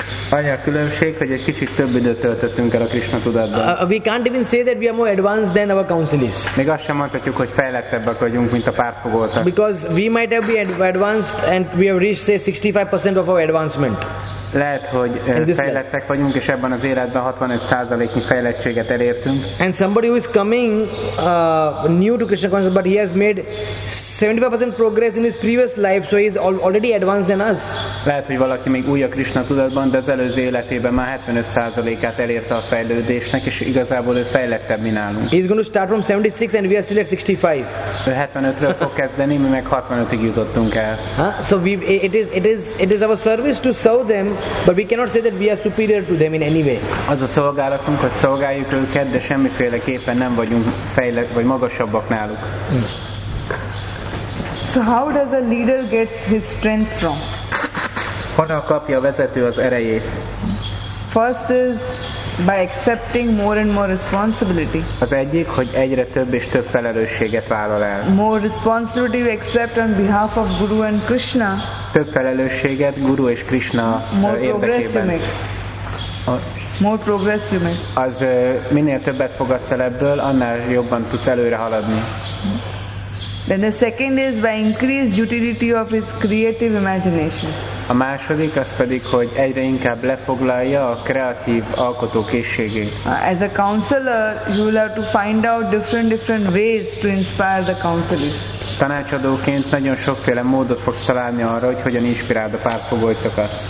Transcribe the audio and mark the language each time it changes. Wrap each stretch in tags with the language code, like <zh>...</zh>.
<hu>Annyi a különbség, hogy egy kicsit több időt töltöttünk el a Krishna tudatban.</hu> <en>We can't even say that we are more advanced than our counselees.</en> <hu>Még azt sem mondhatjuk, hogy fejlettebbek vagyunk, mint a pártfogoltak.</hu> <en>Because we might have been advanced and we have reached say 65% of our advancement.</en> <hu>Lehet, hogy fejlettek vagyunk, és ebben az életben 65%-nyi fejlettséget elértünk.</hu> <en>And somebody who is coming new to Krishna consciousness, but he has made 75% progress in his previous life, so he is already advanced than us.</en> <hu>Lehet, hogy valaki még új a Krishna tudatban, de az előző életében már 75%-át elérte a fejlődésnek, és igazából ő fejlettebb, mi nálunk.</hu> <en>He is going to start from 76 and we are still at 65.</en> <hu>75-ről fog kezdeni, mi meg 65-ig jutottunk el.</hu> <en>So it is our service to serve them, but we cannot say that we are superior to them in any way.</en> <hu>Az a szolgálatunk, hogy szolgáljuk őket, de semmiféleképpen nem vagyunk fejlett vagy magasabbak náluk.</hu> <en>So how does a leader get his strength from?</en> <hu>Honnan kapja a vezető az erejét?</hu> <en>First is by accepting more and more responsibility.</en> <hu>Az egyik, hogy egyre több és több felelősséget vállal el.</hu> <en>More responsibility we accept on behalf of Guru and Krishna.</en> <hu>Több felelősséget Guru és Krishna érdekében.</hu> <en>More progress you make.</en> <hu>Az minél többet fogadsz el ebből, annál jobban tudsz előre haladni.</hu> <en>Then the second is by increased utility of his creative imagination.</en> <hu>A második az pedig, hogy egyre inkább lefoglalja a kreatív alkotókészségét.</hu> <en>As a counselor, you will have to find out different ways to inspire the counselees.</en> <hu>Tanácsadóként nagyon sokféle módot fogsz találni arra, hogy hogyan inspiráld a pártfogoltokat.</hu>